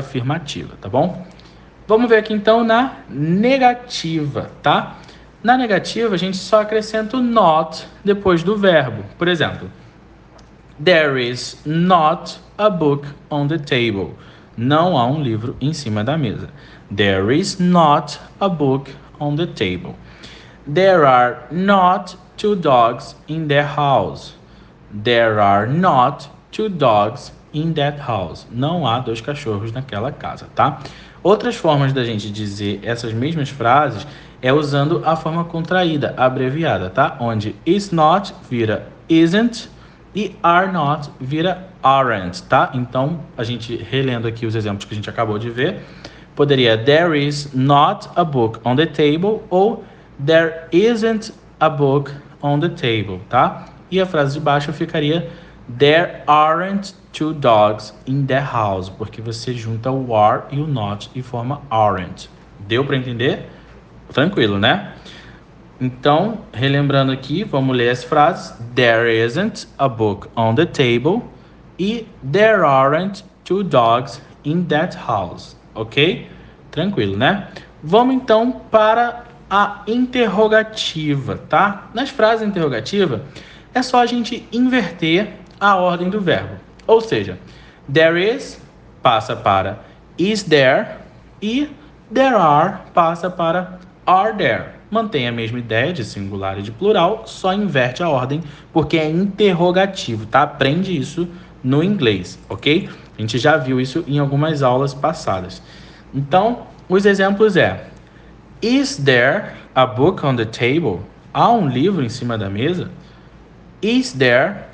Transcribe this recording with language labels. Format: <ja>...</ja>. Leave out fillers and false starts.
<pt>Afirmativa, tá bom? Vamos ver aqui então na negativa, tá? Na negativa, a gente só acrescenta o not depois do verbo. Por exemplo,</pt> <en>there is not a book on the table.</en> <pt>Não há um livro em cima da mesa.</pt> <en>There is not a book on the table. There are not two dogs in their house. There are not two dogs in that house.</en> <pt>Não há dois cachorros naquela casa, tá? Outras formas da gente dizer essas mesmas frases é usando a forma contraída, abreviada, tá? Onde is not vira isn't e are not vira aren't, tá? Então, a gente relendo aqui os exemplos que a gente acabou de ver.</pt> <en>Poderia there is not a book on the table ou there isn't a book on the table, tá?</en> <pt>E a frase de baixo ficaria</pt> <en>there aren't two dogs in the house,</en> <pt>porque você junta o are e o not e forma aren't. Deu para entender? Tranquilo, né? Então, relembrando aqui, vamos ler as frases:</pt> <en>there isn't a book on the table e there aren't two dogs in that house, ok?</en> <pt>Tranquilo, né? Vamos então para a interrogativa, tá? Nas frases interrogativa, é só a gente inverter a ordem do verbo. Ou seja, there is passa para is there e there are passa para are there. Mantém a mesma ideia de singular e de plural, só inverte a ordem porque é interrogativo, tá? Aprende isso no inglês, ok? A gente já viu isso em algumas aulas passadas. Então, os exemplos é:</pt> <en>Is there a book on the table?</en> <pt>Há um livro em cima da mesa?</pt> <en>Is there</en>